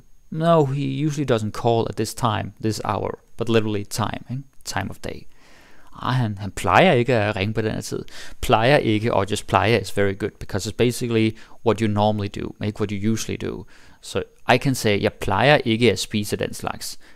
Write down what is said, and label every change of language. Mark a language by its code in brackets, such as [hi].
[en] No, he usually doesn't call at this time, this hour, but literally time, time of day. [da] Han plejer ikke at ringe på den her tid. [en] Plejer ikke, or just plejer is very good, because it's basically what you normally do, make what you usually do. So I can say, [da] jeg plejer ikke at spise den slags.